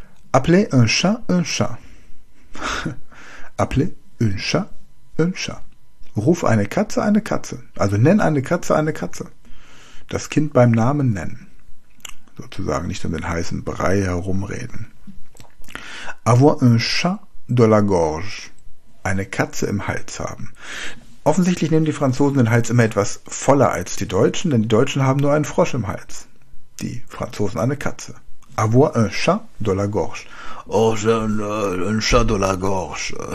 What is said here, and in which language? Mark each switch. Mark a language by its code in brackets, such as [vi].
[fr] Appelez un chat un chat. Appelez un chat un chat. [de] Ruf eine Katze eine Katze. Also nenn eine Katze eine Katze. Das Kind beim Namen nennen. Sozusagen nicht um den heißen Brei herumreden. [fr] Avoir un chat de la gorge. [de] Eine Katze im Hals haben. Offensichtlich nehmen die Franzosen den Hals immer etwas voller als die Deutschen, denn die Deutschen haben nur einen Frosch im Hals. Die Franzosen eine Katze. [fr] Avoir un chat de la gorge. Oh, j'ai un chat de la gorge.